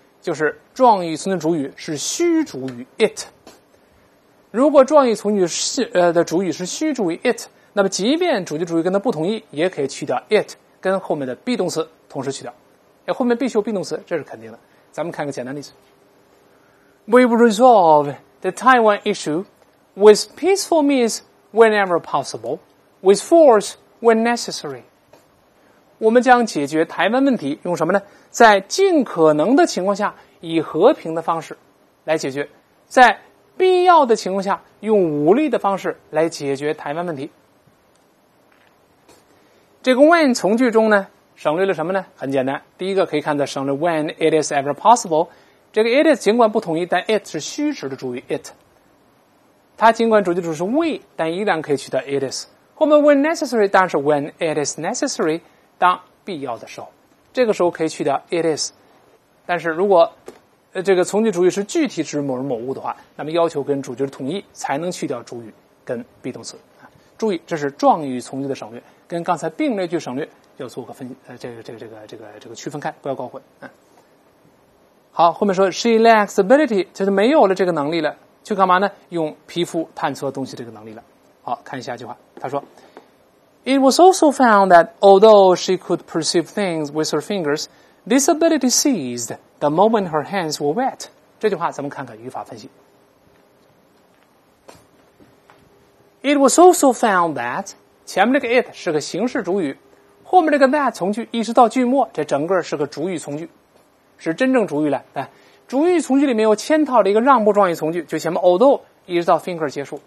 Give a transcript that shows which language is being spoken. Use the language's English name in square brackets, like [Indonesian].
[Chinese] 就是状语从句主语是虚主语 it。如果状语从句的主语是虚主语 it， 那么即便主句主语跟它不统一，也可以去掉 it 跟后面的 be 动词同时去掉。后面必须有 be 动词，这是肯定的。咱们看个简单例子。 [English] We resolve the Taiwan issue with peaceful means whenever possible, with force when necessary. [Chinese] 我们将解决台湾问题用什么呢？在尽可能的情况下，以和平的方式来解决，在必要的情况下，用武力的方式来解决台湾问题。这个 when 从句中呢，省略了什么呢？很简单，第一个可以看到省略 when it is ever possible， 这个 it is 尽管不统一，但 it 是虚实的主语 it， 它尽管主句主是 we， 但依然可以取代 it is。后面 when necessary 当然是 when it is necessary， 当必要的时候，这个时候可以取代 it is。但是如果这个从句主语是具体指某人某物的话，那么要求跟主句统一才能去掉主语跟 be 动词。注意，这是状语从句的省略，跟刚才并列句省略要做个分这个区分开，不要搞混。好，后面说 she lacks ability， 就是没有了这个能力了，去干嘛呢？用皮肤探测东西这个能力了。好，看一下句话，他说 [English] ，It was also found that although she could perceive things with her fingers, this ability ceased the moment her hands were wet。 [Chinese] 这句话咱们看看语法分析。 It was also found that 前面这个 it 是个形式主语，后面这个 that 从句一直到句末，这整个是个主语从句，是真正主语了。对，主语从句里面有嵌套的一个让步状语从句，就前面 although 一直到 finger 结束。